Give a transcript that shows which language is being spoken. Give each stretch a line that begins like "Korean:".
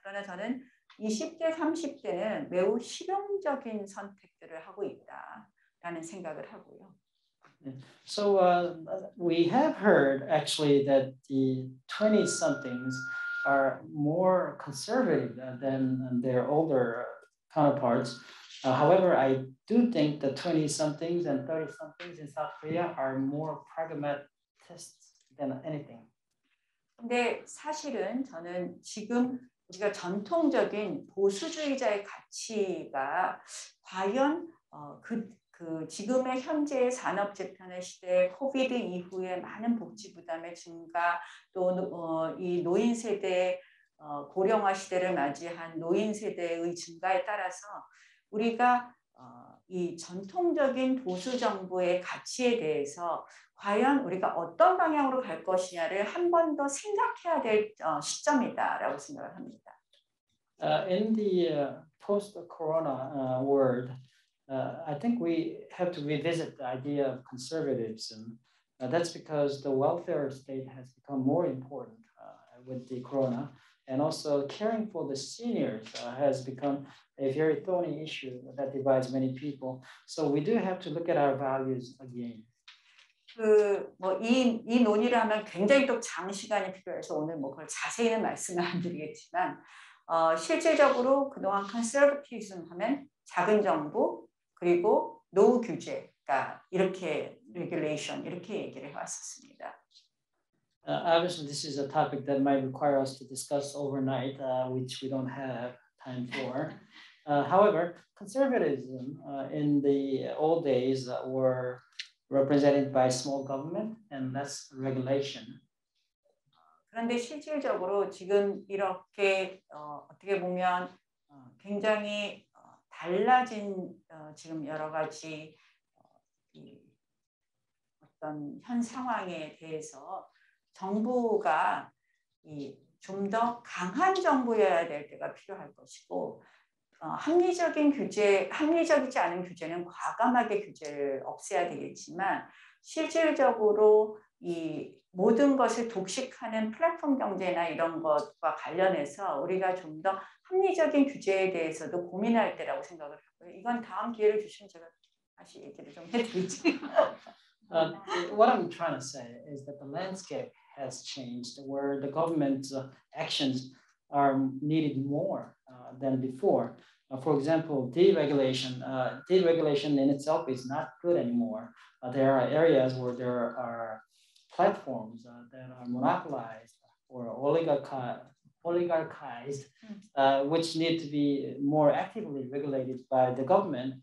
Korean: 그러나 저는 20대, 30대는 매우 실용적인 선택들을 하고 있다라는 생각을 하고요.
English: So we have heard actually that the 20-somethings are more conservative than their older counterparts. However, I do think the 20-somethings and 30-somethings in South Korea are more pragmatists than anything.
Korean: 근데 사실은 저는 지금 우리가 전통적인 보수주의자의 가치가 과연 그 지금의 현재의 산업 재편의 시대, 코비드 이후에 많은 복지 부담의 증가, 또 이 노인 세대 고령화 시대를 맞이한 노인 세대의 증가에 따라서 우리가 이 전통적인 보수 정부의 가치에 대해서 과연 우리가 어떤 방향으로 갈 것이냐를 한 번 더 생각해야 될 시점이다라고 생각을 합니다.
English: In the post-corona world. I think we have to revisit the idea of conservatism. That's because the welfare state has become more important with the corona. And also caring for the seniors has become a very thorny issue that divides many people. So we do have to look at our values again.
Korean: 이 논의를 하면 굉장히 또 장시간이 필요해서 오늘 뭐 그걸 자세히는 말씀을 안 드리겠지만 실질적으로 그동안 conservatism 하면 작은 정부, 그리고 노후 규제가 이렇게 regulation 이렇게 얘기를 해왔었습니다.
English: Obviously, this is a topic that might require us to discuss overnight, which we don't have time for. However, conservatism in the old days were represented by small government and less regulation.
Korean: 그런데 실질적으로 지금 이렇게 어떻게 보면 굉장히 달라진 지금 여러 가지 어떤 현 상황에 대해서 정부가 좀 더 강한 정부여야 될 때가 필요할 것이고 합리적인 규제, 합리적이지 않은 규제는 과감하게 규제를 없애야 되겠지만 실질적으로 이 모든 것을 독식하는 플랫폼 경제나 이런 것과 관련해서 우리가 좀 더 합리적인 규제에 대해서도 고민할 때라고 생각을 하고요. 이건 다음 기회를 주시면 제가 다시 얘기를 좀 해드리지.
English: What I'm trying to say is that the landscape has changed where the government's actions are needed more than before. For example, deregulation in itself is not good anymore. There are areas where there are platforms that are monopolized or oligarchized, which need to be more actively regulated by the government.